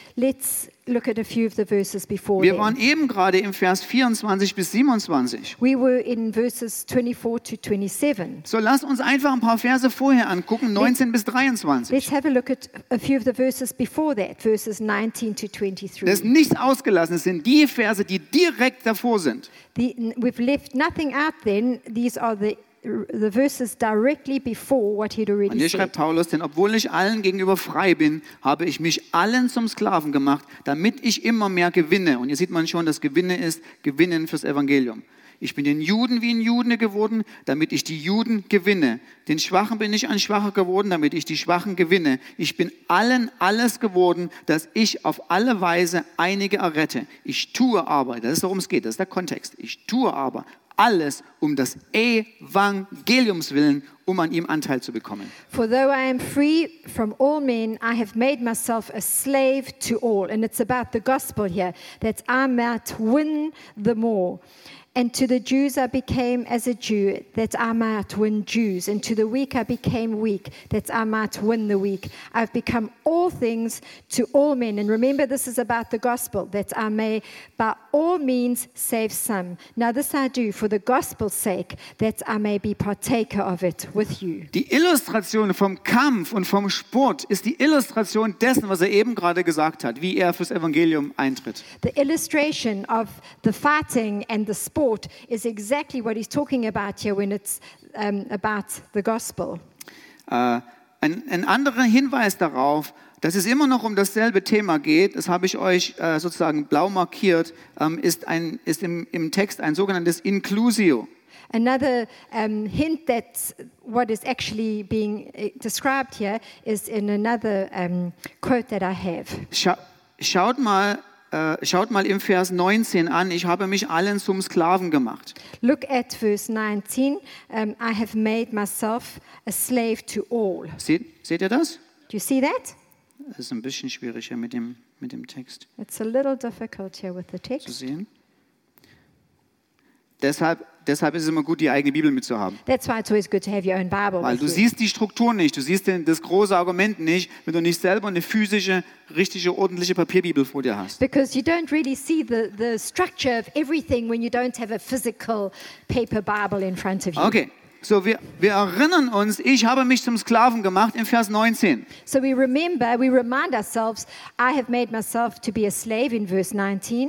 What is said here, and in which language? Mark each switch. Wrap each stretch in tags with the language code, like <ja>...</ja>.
<en>Let's look at a few of the verses before.</en> <de>Wir waren eben gerade im Vers 24 bis 27.</de> <en>We were in verses 24 to 27.</en> <de>So lass uns einfach ein paar Verse vorher angucken, 19 bis 23.</de> <en>Let's have a look at a few of the verses before that, verses 19 to 23.</en> <de>Das ist nichts ausgelassen, es sind die Verse, die direkt davor sind.</de> <en>We've left nothing out then, these are the verses directly before what he'd already said.</en> <de>Und hier schreibt Paulus, denn obwohl ich allen gegenüber frei bin, habe ich mich allen zum Sklaven gemacht, damit ich immer mehr gewinne. Und hier sieht man schon, das Gewinne ist Gewinnen fürs Evangelium. Ich bin den Juden wie ein Jude geworden, damit ich die Juden gewinne. Den Schwachen bin ich ein Schwacher geworden, damit ich die Schwachen gewinne. Ich bin allen alles geworden, dass ich auf alle Weise einige errette. Ich tue aber, das ist worum es geht, das ist der Kontext. Ich tue aber alles um das Evangeliums willen, um an ihm Anteil zu bekommen.</de> <en>For though I am free from all men, I have made myself a slave to all. And it's about the gospel here, that I might win the more. And to the Jews I became as a Jew, that I might win Jews. And to the weak I became weak, that I might win the weak. I've become all things to all men. And remember, this is about the gospel, that I may by all means save some. Now this I do for the gospel's sake, that I may be partaker of it with you.</en> <de>Die Illustration vom Kampf und vom Sport ist die Illustration dessen, was er eben gerade gesagt hat, wie er fürs Evangelium eintritt.</de> <en>The illustration of the fighting and the sport is exactly what he's talking about here when it's about the gospel.</en> <de>Ein anderer Hinweis darauf, dass es immer noch um dasselbe Thema geht, das habe ich euch sozusagen blau markiert, ist im Text ein sogenanntes Inclusio.</de> <en>Another hint that what is actually being described here is in another quote that I have.</en> <de>Schaut mal im Vers 19 an, ich habe mich allen zum Sklaven gemacht.</de> <en>Look at verse 19, I have made myself a slave to all.</en> <de>Seht ihr das?</de> <en>Do you see that?</en> <de>Es ist ein bisschen schwierig hier mit dem Text.</de> <en>It's a little difficult here with the text.</en> <de>Zu sehen. Deshalb ist es immer gut, die eigene Bibel mitzuhaben.</de> <en>That's why it's always good to have your own Bible.</en> <de>Weil du siehst die Struktur nicht, du siehst das große Argument nicht, wenn du nicht selber eine physische, richtige, ordentliche Papierbibel vor dir hast.</de> <en>Because you don't really see the structure of everything when you don't have a physical paper Bible in front of you. Okay.</en> <de>So wir erinnern uns, ich habe mich zum Sklaven gemacht in Vers 19.</de> <en>So we remind ourselves, I have made myself to be a slave in verse 19.</en>